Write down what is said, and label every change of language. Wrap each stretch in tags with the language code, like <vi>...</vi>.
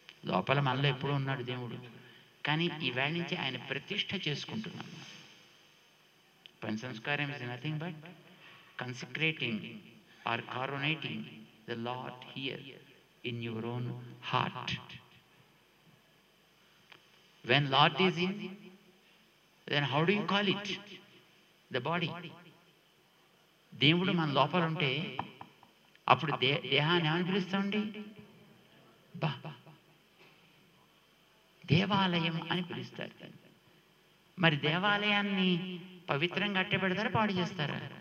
<te>లోపల మనలో ఎప్పుడు ఉన్నాడు దేవుడు, కానీ ఈవేళ నుంచి ఆయన ప్రతిష్ట చేసుకుంటున్నాం.</te> <en>పని సంస్కారం is nothing but consecrating or coronating the lord here in your own heart. When Lord is in, then how do you call it? The body.</en> <te>దేవుడు మన లోపల ఉంటే అప్పుడు దేహాన్ని ఏమని పిలుస్తామండి? దేవాలయం అని పిలుస్తారు. మరి దేవాలయాన్ని పవిత్రంగా అట్టె పెడతారా పాడు చేస్తారా?</te>